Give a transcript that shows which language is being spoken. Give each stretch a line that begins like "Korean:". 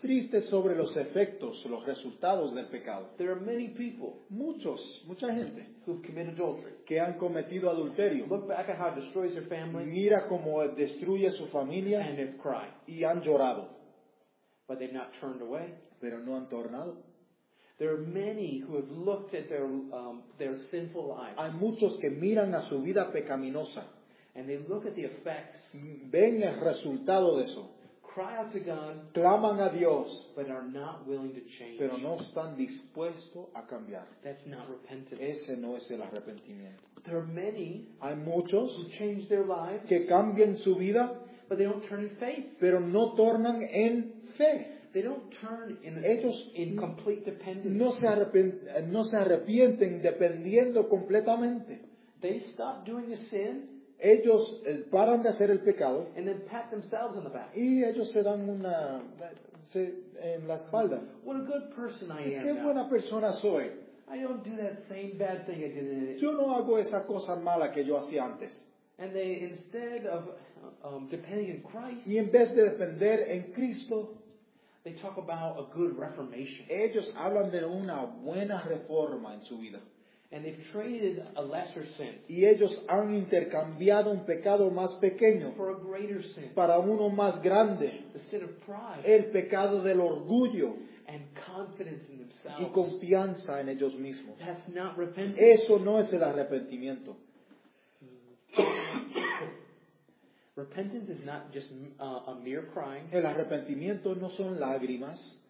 Spanish: Triste sobre los efectos, los resultados del pecado.
English: There are many people,
Spanish: muchos, mucha gente,
English: who've committed adultery,
Spanish: que han cometido adulterio.
English: Look back at how it destroys their family.
Spanish: Mira cómo destruye su familia.
English: And have cried.
Spanish: Y han llorado.
English: But they've not turned away.
Spanish: Pero no han tornado.
English: There are many who have looked at their sinful lives.
Spanish: Hay muchos que miran a su vida pecaminosa.
English: And they look at the effects.
Spanish: Ven el resultado de eso.
English: Cry out to God,
Spanish: claman a Dios,
English: but are not willing to change.
Spanish: Pero no están dispuestos a cambiar.
English: That's not repentance.
Spanish: Ese no es el arrepentimiento.
English: There are many,
Spanish: hay muchos,
English: who change their lives,
Spanish: que cambian su vida,
English: but they don't turn in faith.
Spanish: Pero no tornan en fe.
English: They don't turn in,
Spanish: ellos
English: in complete dependence.
Spanish: No se arrepienten dependiendo completamente.
English: They stop doing the sin.
Spanish: Ellos paran de hacer el pecado
English: and then pat themselves on the back.
Spanish: Y ellos se dan una se, en la espalda.
English: What a good person I am.
Spanish: Qué buena persona soy.
English: I don't do that same bad thing I did.
Spanish: Yo no hago esa cosa mala que yo hacía antes.
English: And they, instead of depending in Christ,
Spanish: y en vez de depender en Cristo,
English: they talk about a good reformation.
Spanish: Ellos hablan de una buena reforma en su vida.
English: And they've traded a lesser sin.
Spanish: Y ellos han intercambiado un pecado más pequeño
English: for a greater sin.
Spanish: Para uno más grande.
English: The sin of pride.
Spanish: El pecado del orgullo.
English: And confidence in themselves.
Spanish: Y confianza en ellos mismos.
English: That's not repentance.
Spanish: Eso no es el arrepentimiento.
English: Repentance is not just a mere crying.
Spanish: El arrepentimiento no son lágrimas.